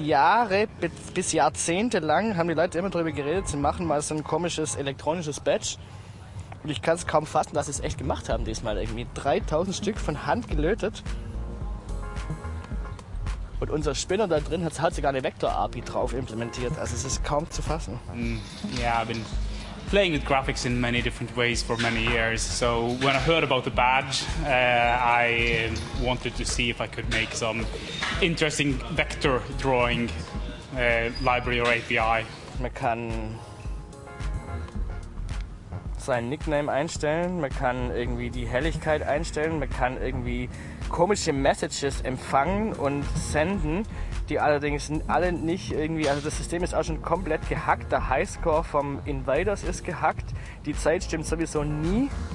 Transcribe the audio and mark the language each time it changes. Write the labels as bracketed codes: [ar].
[de] Jahre bis Jahrzehnte lang haben die Leute immer darüber geredet, sie machen mal so ein komisches elektronisches Badge. Und ich kann es kaum fassen, dass sie es echt gemacht haben diesmal. Irgendwie 3000 Stück von Hand gelötet. Und unser Spinner da drin hat sogar eine Vektor-API drauf implementiert. Also es ist kaum zu fassen. [en] Yeah, I've been playing with graphics in many different ways for many years. So when I heard about the badge, I wanted to see if I could make some interesting vector drawing library or API. [de] Man kann seinen Nickname einstellen, man kann irgendwie die Helligkeit einstellen, man kann irgendwie komische Messages empfangen und senden, die allerdings alle nicht irgendwie, also das System ist auch schon komplett gehackt, der Highscore vom Invaders ist gehackt, die Zeit stimmt sowieso nie.